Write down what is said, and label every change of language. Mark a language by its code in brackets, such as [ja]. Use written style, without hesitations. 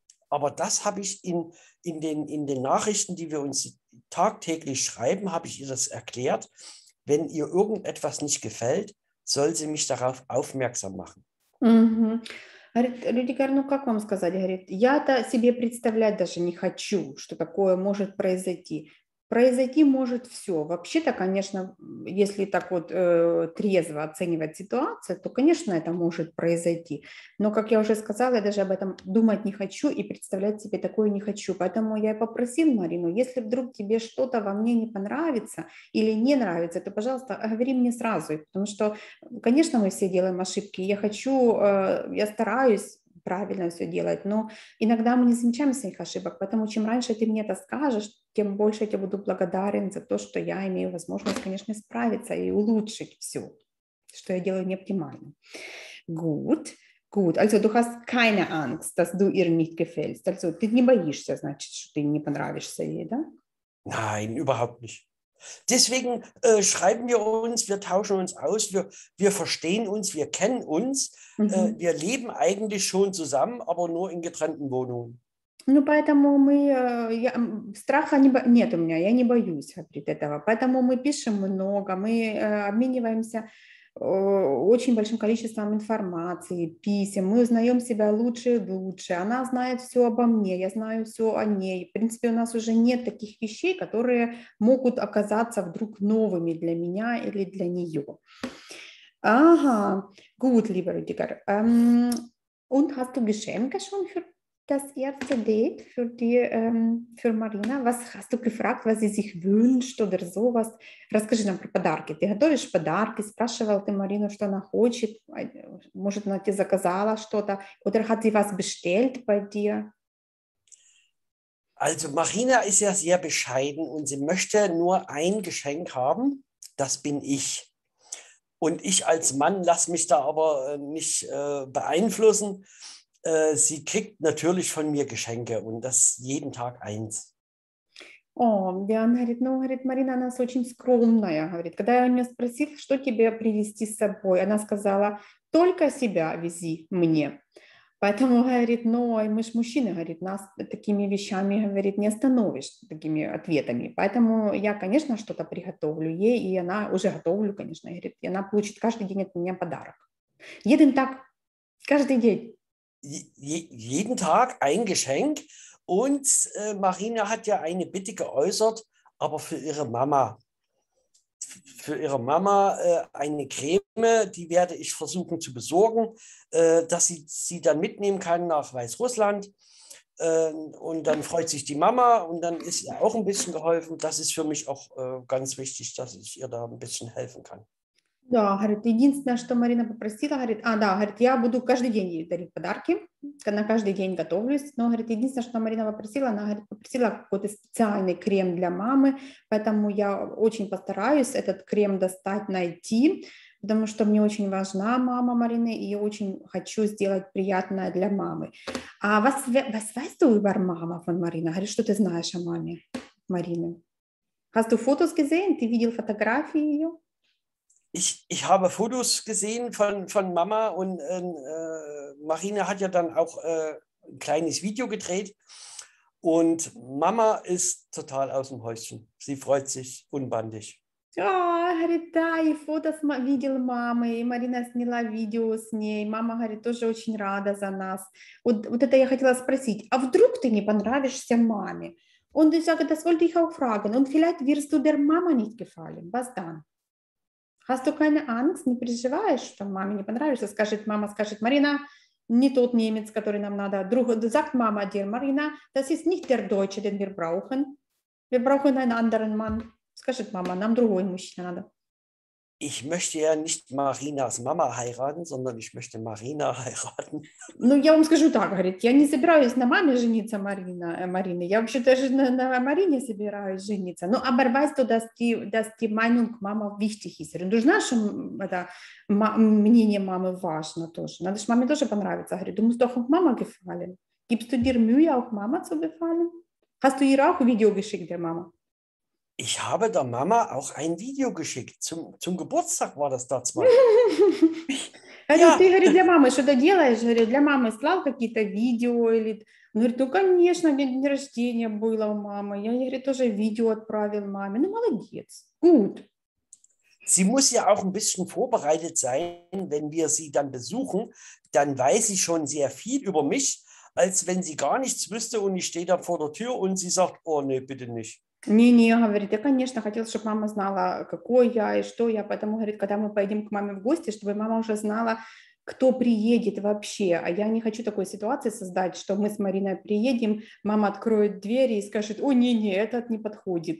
[de] Aber das habe ich in den Nachrichten, die wir uns tagtäglich schreiben, habe ich ihr das erklärt. Wenn ihr irgendetwas nicht gefällt, soll sie mich darauf aufmerksam machen. Mhm. [ru] Говорит, Рюдигер, ну как вам сказать? Говорит, я-то себе представлять даже не хочу, что такое может произойти. Произойти может все. Вообще-то, конечно, если так вот трезво оценивать ситуацию, то, конечно, это может произойти. Но, как я уже сказала, я даже об этом думать не хочу и представлять себе такое не хочу. Поэтому я и попросил Марину, если вдруг тебе что-то во мне не понравится или не нравится, то, пожалуйста, говори мне сразу. Потому что, конечно, мы все делаем ошибки. Я стараюсь правильно все делать, но иногда мы не замечаем своих ошибок, поэтому чем раньше ты мне это скажешь, тем больше я тебе буду благодарен за то, что я имею возможность, конечно, справиться и улучшить все, что я делаю неоптимально. [de] Gut. Also, du hast keine Angst, dass du ihr nicht gefällst. [ru] Also, ты не боишься, значит, что ты не понравишься ей, да? [de] Nein, überhaupt nicht. Deswegen schreiben wir uns, wir tauschen uns aus, wir verstehen uns, wir kennen uns, wir leben eigentlich schon zusammen, aber nur in getrennten Wohnungen. [ru] Ну, поэтому мы, страха не, нет у меня, я не боюсь говорит, этого, поэтому мы пишем много, мы обмениваемся очень большим количеством информации, писем, мы узнаем себя лучше и лучше, она знает все обо мне, я знаю все о ней. В принципе, у нас уже нет таких вещей, которые могут оказаться вдруг новыми для меня или для нее. [de] Ага, gut, lieber Rüdiger. Und hast du Geschenke schon für das erste Date für die, für Marina? Was hast du gefragt, was sie sich wünscht oder sowas? [ru] Расскажи нам про подарки. Ты готовишь подарки? Спрашивал ты Марину, что она хочет? Может, она тебе заказала что-то? [de] Oder hat sie was bestellt bei dir? Also Marina ist ja sehr bescheiden und sie möchte nur ein Geschenk haben. Das bin ich. Und ich als Mann lasse mich da aber nicht beeinflussen. Sie kriegt natürlich von mir Geschenke und das jeden Tag eins. Oh, ja, [ru] говорит, ну, говорит, Марина, она очень скромная, говорит. Когда я у нее спросил, что тебе привезти с собой, она сказала, только себя вези мне. Поэтому, говорит, ну, мы ж мужчины, говорит, нас такими вещами, говорит, не остановишь такими ответами. Поэтому я, конечно, что-то приготовлю ей, и она уже готовлю, конечно, говорит, и она получит каждый день от меня подарок. Едем так каждый день. [de] jeden Tag ein Geschenk. Und Marina hat ja eine Bitte geäußert, aber für ihre Mama. Für ihre Mama eine Creme, die werde ich versuchen zu besorgen, dass sie sie dann mitnehmen kann nach Weißrussland. Und dann freut sich die Mama und dann ist ihr auch ein bisschen geholfen. Das ist für mich auch ganz wichtig, dass ich ihr da ein bisschen helfen kann. Ja, говорит, единственное, что Марина попросила, говорит, да, говорит, я буду каждый день ей дарить подарки, на каждый день готовлюсь, но, говорит, единственное, что Марина попросила, она, говорит, попросила какой-то специальный крем для мамы, поэтому я очень постараюсь этот крем достать, найти, потому что мне очень важна мама Марины, и я очень хочу сделать приятное для мамы. А was weißt du über Mama von Marina? [ru] Говорит, что ты знаешь о маме Марины? [de] Hast du Fotos gesehen? [ru] Ты видел фотографии ее? [de] Ich habe Fotos gesehen von Mama und Marina hat ja dann auch ein kleines Video gedreht. Und Mama ist total aus dem Häuschen. Sie freut sich unbändig. [ru] Ja, говорит, да, и фото видел мамы, и Марина сняла видео с ней. Мама, говорит, тоже очень рада за нас. Вот это я хотела спросить. А вдруг ты не понравишься маме? [de] Und ich sage, das wollte ich auch fragen. Und vielleicht wirst du der Mama nicht gefallen. Was dann? Hast du keine Angst, [ru] не переживаешь, что маме не понравишься? Скажет, мама скажет, Марина, не тот немец, который нам надо. [de] Друг, sagt Mama dir, Марина, das ist nicht der Deutsche, den wir brauchen. Wir brauchen einen anderen Mann. [ru] Скажет мама, нам другой мужчина надо. [de] Ich möchte ja nicht Marinas Mama heiraten, sondern ich möchte Marina heiraten. [ru] Ну, я вам скажу так, говорит, я не собираюсь на маме жениться, Марина. Я вообще даже на Марине собираюсь жениться. [de] Ну, aber weißt du, dass die Meinung Mama wichtig ist? Und du [ru] знаешь, это мнение мамы важно тоже. Надо же маме тоже понравиться. [de] Говорит, du musst doch auch Mama gefallen. Gibst du dir Mühe, auch Mama zu gefallen? Hast du ihr auch Video geschickt, der Mama? Ich habe der Mama auch ein Video geschickt. Zum Geburtstag war das da zwar. Also, Ja. [ru] ты, говорит, для мамы что-то делаешь? Говорит, для мамы слал какие-то видео? Или... Он говорит, ну, конечно, день рождения было у мамы. Я, говорит, тоже видео отправил маме. Ну, молодец. Гуд. [de] Sie muss ja auch ein bisschen vorbereitet sein, wenn wir sie dann besuchen. Dann weiß sie schon sehr viel über mich, als wenn sie gar nichts wüsste und ich stehe da vor der Tür und sie sagt, oh nee, bitte nicht. [ru] Не-не, говорит, я, конечно, хотела, чтобы мама знала, какой я и что я. Поэтому, говорит, когда мы поедем к маме в гости, чтобы мама уже знала, кто приедет вообще. А я не хочу такой ситуации создать, что мы с Мариной приедем, мама откроет двери и скажет, о, не-не, этот не подходит.